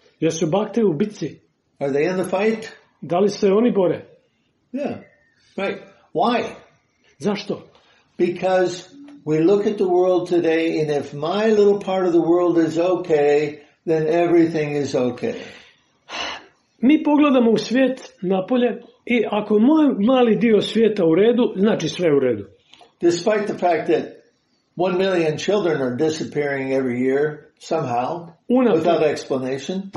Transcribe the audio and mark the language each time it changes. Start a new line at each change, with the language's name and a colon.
Croatian: Jesu bhakte u bitci?
English: Are they in the fight?
Croatian: Da li se oni bore?
English: Yeah. Right. Why?
Croatian: Zašto?
English: Because we look at the world today, and if my little part of the world is okay, then everything is okay.
Croatian: mi pogledamo u svijet napolje i ako moj mali dio svijeta u redu, znači sve u redu.
English: Despite the fact that 1 million children are disappearing every year somehow, without explanation.